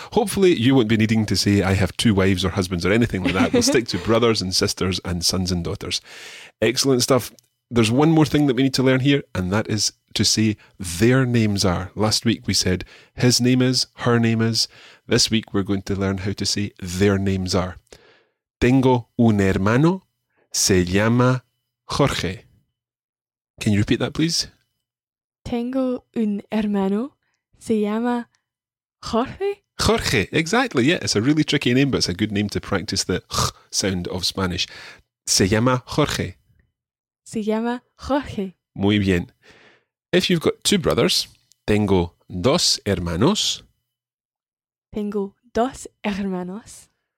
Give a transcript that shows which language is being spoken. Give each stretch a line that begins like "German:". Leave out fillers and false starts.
English: Hopefully, you won't be needing to say I have two wives or husbands or anything like that. We'll stick to brothers and sisters and sons and daughters. Excellent stuff. There's one more thing that we need to learn here, and that is to say their names are. Last week we said his name is, her name is. This week we're going to learn how to say their names are.
Spanish: Tengo un hermano, se llama Jorge.
English: Can you repeat that, please?
Spanish: Tengo un hermano, se llama Jorge?
English: Jorge, exactly. Yeah, it's a really tricky name, but it's a good name to practice the ch sound of Spanish.
Spanish: Se llama Jorge. Se llama Jorge. Muy bien.
English: If you've got two brothers,
Spanish: tengo dos hermanos. Tengo dos hermanos.